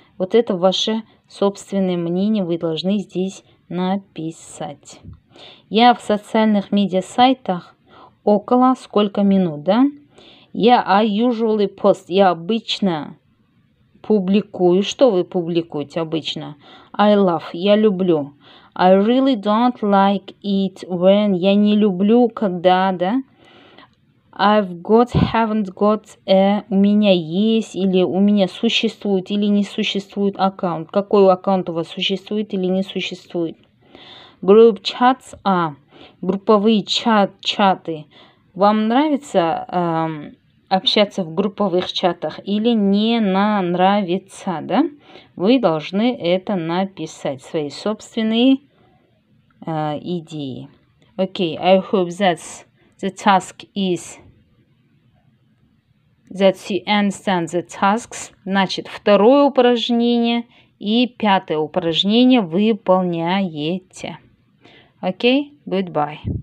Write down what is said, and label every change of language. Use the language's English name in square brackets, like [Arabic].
[Russian] Вот это ваше собственное мнение вы должны здесь написать. Я в социальных медиа сайтах около сколько минут, да? [English] I usually post. [Russian] Я обычно публикую. Что вы публикуете обычно? [English] I love. [Russian] Я люблю. [English] I really don't like it when. [Russian] Я не люблю, когда, да? [English] I've got, haven't got, [Russian] у меня есть, или у меня существует, или не существует аккаунт. Какой аккаунт у вас существует или не существует? [English] Group chats are. [Russian] Групповые чаты. Вам нравится... общаться в групповых чатах или не нравится, да? Вы должны это написать, свои собственные идеи. Окей, [English] okay, I hope that the task is, that you understand the tasks. [Russian] Значит, второе упражнение и пятое упражнение выполняете. Окей, [English] okay, goodbye.